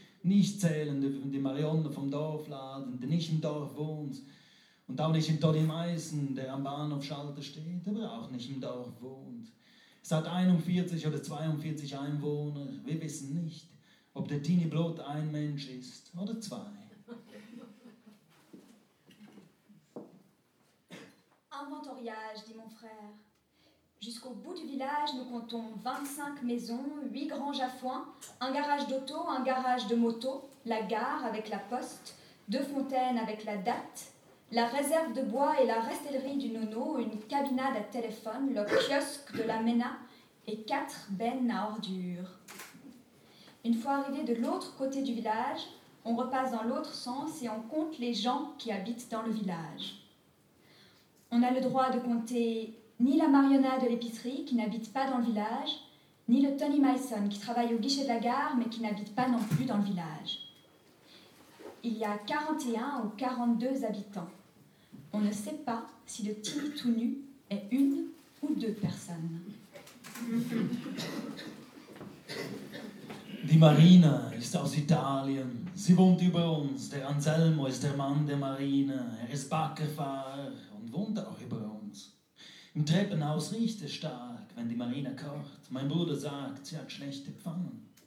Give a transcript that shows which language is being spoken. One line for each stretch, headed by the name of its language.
German: Nicht zählen dürfen die Marionne vom Dorfladen, die nicht im Dorf wohnt. Und auch nicht in Todi Meissen, der am Bahnhofschalter steht, aber auch nicht im Dorf wohnt. Es hat 41 oder 42 Einwohner. Wir wissen nicht, ob der Tini Blot ein Mensch ist oder 2.
French: Inventoriage, dit mon frère. Jusqu'au bout du village, nous comptons 25 maisons, 8 granges à foin, un garage d'auto, un garage de moto, la gare avec la poste, 2 fontaines avec la date, la réserve de bois et la restellerie du nono, une cabinade à téléphone, le kiosque de la Mena et 4 bennes à ordures. Une fois arrivé de l'autre côté du village, on repasse dans l'autre sens et on compte les gens qui habitent dans le village. On a le droit de compter ni la Mariona de l'épicerie qui n'habite pas dans le village, ni le Tony Meissen qui travaille au guichet de la gare mais qui n'habite pas non plus dans le village. Il y a 41 ou 42 habitants. On ne sait pas si le Tini tout nu est 1 ou 2 personnes.
German: Die Marina ist aus Italien. Sie wohnt über uns. Der Anselmo ist der Mann der Marina. Er ist Backerfahrer und wohnt auch über uns. Im Treppenhaus riecht es stark, wenn die Marina kocht. Mein Bruder sagt, sie hat schlechte Pfannen.